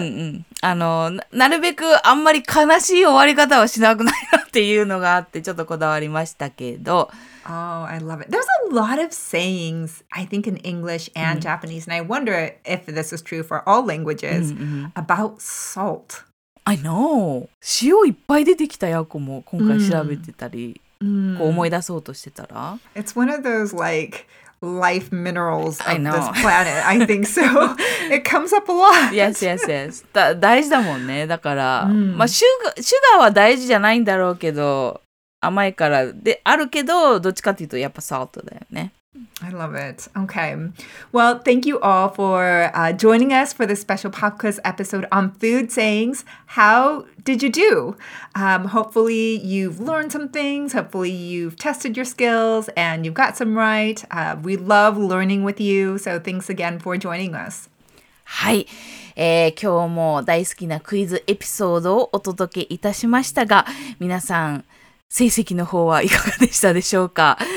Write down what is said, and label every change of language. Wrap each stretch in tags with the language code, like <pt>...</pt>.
<ja>うんうん、あの、なるべくあんまり悲しい終わり方をしなくないなっていうのがあって、ちょっとこだわりましたけど。</ja> <en>Oh, I love it. There's a lot of sayings, I think, in English and Japanese, and I wonder if this is true for all languages, about salt. I know.</en> <ja>塩いっぱい出てきたヤコも今回調べてたり、こう思い出そうとしてたら。</ja> <en>It's one of those, like... life minerals of this planet, I think so. It comes up a lot. Yes, yes, yes.</en> <ja>大事だもんね。だから、まあ、シュガーは大事じゃないんだろうけど、甘いからであるけど、どっちかというとやっぱサルトだよね。</ja> <en>I love it. Okay. Well, thank you all for joining us for this special pop quiz episode on food sayings. How did you do? Hopefully you've learned some things. Hopefully you've tested your skills and you've got some right. We love learning with you. So thanks again for joining us.</en> <ja>はい。今日も大好きなクイズエピソードをお届けいたしましたが、皆さん、成績の方はいかがでしたでしょうか。</ja>